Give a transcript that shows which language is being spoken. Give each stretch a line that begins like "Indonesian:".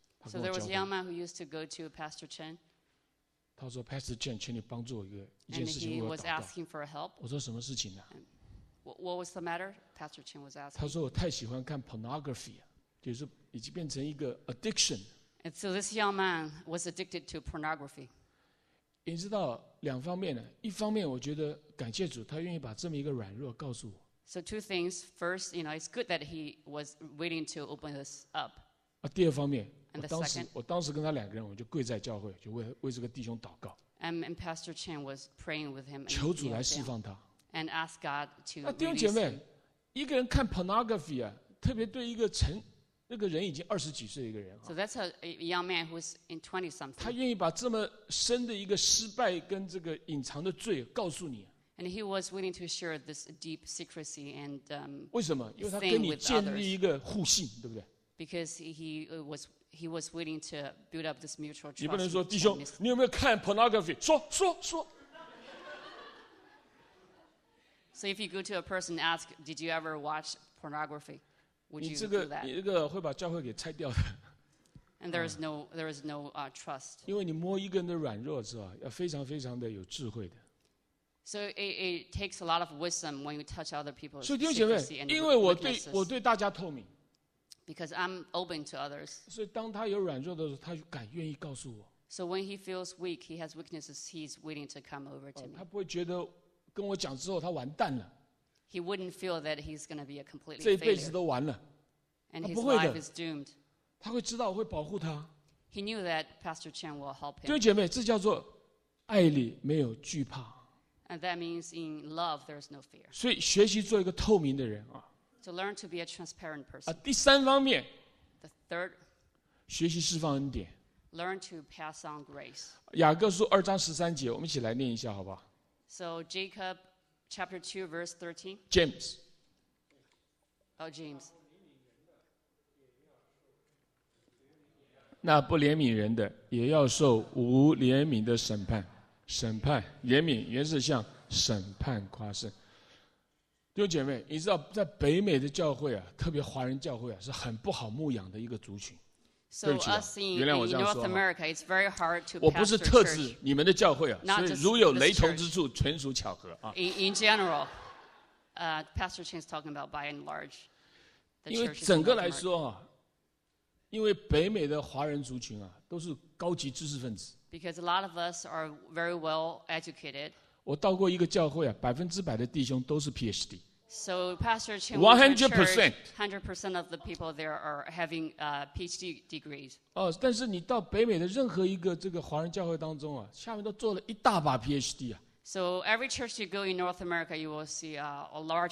English: so there was a young man who used to go to Pastor Chen
Chinese: 他说 Pastor Chen 请你帮助我一件事情
English: and he was asking for help
Chinese: 我说什么事情呢
English: What was the matter? Pastor Chen was asking.
Chinese: 他说我太喜欢看 pornography, 就是已经变成一个 addiction.
English: And so this young man was addicted to pornography.
Chinese: 你知道两方面呢？一方面我觉得感谢主，他愿意把这么一个软弱告诉我。
English: So two things. First, you know, it's good that he was willing to open this up.
Chinese: 第二方面，我当时跟他两个人，我就跪在教会，就为这个弟兄祷告。
English: And Pastor Chen was praying with him.
Chinese: 求主来释放他。
English: And ask God to.
Chinese: 弟兄姐妹，一个人看 pornography 啊，特别对一个那个人已经二十几岁的一个人。
English: So that's a young man who's in 20 something.
Chinese: 他愿意把这么深的一个失败跟这个隐藏的罪告诉你。
English: And he was willing to share this deep secrecy and.
Chinese: 为什么？因为他跟你建立一个互信，对不对
English: ？Because he was willing to build up this mutual trust.
Chinese: 你不能说弟兄，你有没有看 pornography？说。
English: So if you go to a person and ask, did you ever watch pornography? Would you do that?
Chinese: 你这个会把教会给拆掉的。
English: And there is no trust.
Chinese: 因为你摸一个人的软弱是吧？要非常非常的有智慧的。
English: So it takes a lot of wisdom when you touch other people's secrecy and weaknesses.
Chinese: 所以弟兄姐妹，因为我对大家透明。
English: Because I'm open to others.
Chinese: 所以当他有软弱的时候，他敢愿意告诉我。
English: So when he feels weak, he has weaknesses, he's willing to come over to me.
Chinese: 他不会觉得跟我讲之后他完蛋了。
English: He wouldn't feel that he's going to be a completely
Chinese: failure. 这一辈子都完了。
English: And his life is doomed.
Chinese: 他会知道我会保护他。
English: He knew that Pastor Chen will help him.
Chinese: 弟兄姐妹，这叫做爱里没有惧怕。
English: And that means in love, there's no fear.
Chinese: 所以学习做一个透明的人啊。
English: To learn to be a transparent person.
Chinese: 啊，第三方面。
English: The third.
Chinese: 学习释放恩典。
English: Learn to pass on grace.
Chinese: 雅各书二章十三节，我们一起来念一下，好不好
English: ？So Jacob, chapter 2 verse 13. James. Oh, James.
Chinese: 那不怜悯人的，也要受无怜悯的审判。审判怜悯原是向审判夸胜。弟兄姐妹，你知道在北美的教会啊，特别华人教会啊，是很不好牧养的一个族群。
English: So,
Chinese: 对不起、啊，原谅我这样说。
English: America,
Chinese: 我不是特指你们的教会啊，
English: church,
Chinese: 所以如有雷同之处，纯属巧合啊。
English: In general, Pastor Chen is talking about by and large.
Chinese: 因为整个来说啊，因为北美的华人族群啊，都是高级知识分子。
English: Because a lot of us are very well educated.
Chinese: 我到过一个教会啊，百分之百的弟兄都是 PhD.
English: So Pastor Chen, 100%, 100% of the people there are having PhD degrees.
Chinese: 哦，但是你到北美的任何一个这个华人教会当中啊，下面都做了一大把 PhD 啊。
English: So every church you go in North America, you will see a large.